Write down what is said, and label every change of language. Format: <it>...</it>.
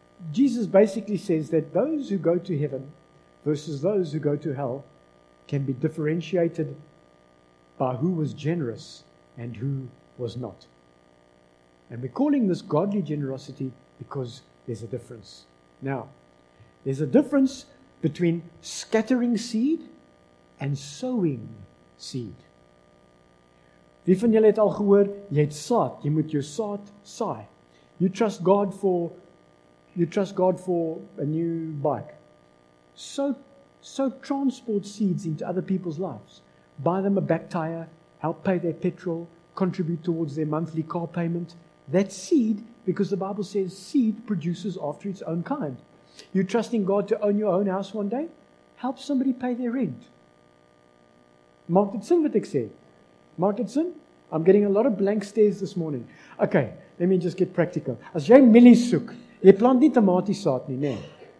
<en>Jesus basically says that those who go to heaven versus those who go to hell can be differentiated by who was generous and who was not. And we're calling this godly generosity because there's a difference. Now, there's a difference between scattering seed and sowing seed.</en> <af>Wie van julle het al gehoor, jy het saad, jy moet jou saad saai.</af> <en>You trust God for a new bike. So transport seeds into other people's lives. Buy them a back tire, help pay their petrol, contribute towards their monthly car payment. That seed, because the Bible says seed produces after its own kind. You trust in God to own your own house one day? Help somebody pay their rent. Mark it sin, what say? Mark it sin? I'm getting a lot of blank stares this morning. Okay. Let me just get practical.</en> <af>As jy mielies soek, jy plant nie tamatie saad nie, nee.</af>